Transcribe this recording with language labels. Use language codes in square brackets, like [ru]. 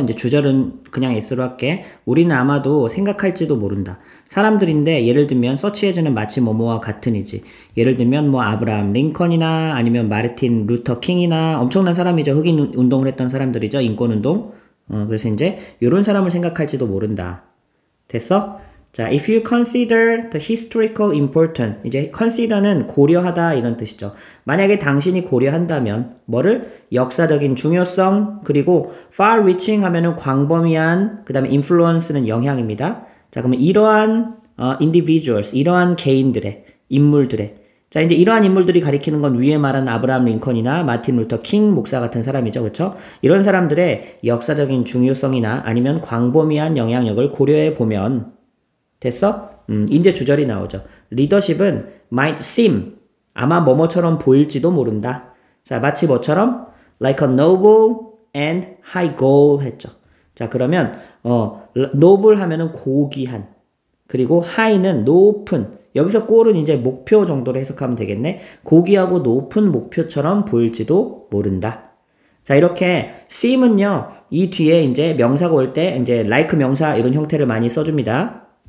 [ko] 이제 주절은 그냥 S로 할게. 우리는 아마도 생각할지도 모른다. 사람들인데 예를 들면 서치해즈는 마치 뭐뭐와 같으니지. 예를 들면 뭐 아브라함 링컨이나 아니면 마르틴 루터 킹이나 엄청난 사람이죠. 흑인 운동을 했던 사람들이죠. 인권운동. 그래서 이제 이런 사람을 생각할지도 모른다. 됐어? 자, [en] if you consider the historical importance, [ko] 이제 consider는 고려하다 이런 뜻이죠. 만약에 당신이 고려한다면, 뭐를? 역사적인 중요성, 그리고 [en] far reaching [ko] 하면은 광범위한, 그 다음에 influence는 영향입니다. 자, 그러면 이러한 individuals, 이러한 개인들의, 인물들의. 자, 이제 이러한 인물들이 가리키는 건 위에 말한 아브라함 링컨이나 마틴 루터 킹 목사 같은 사람이죠, 그렇죠? 이런 사람들의 역사적인 중요성이나 아니면 광범위한 영향력을 고려해 보면, 됐어? 이제 주절이 나오죠. 리더십은 [en] might seem, [ko] 아마 뭐뭐처럼 보일지도 모른다. 자, 마치 뭐처럼? [en] like a noble and high goal [ko] 했죠. 자, 그러면 noble 하면은 고귀한, 그리고 high는 높은, 여기서 goal은 이제 목표 정도로 해석하면 되겠네. 고귀하고 높은 목표처럼 보일지도 모른다. 자, 이렇게 seem은요, 이 뒤에 이제 명사가 올때 이제 like 명사 이런 형태를 많이 써줍니다.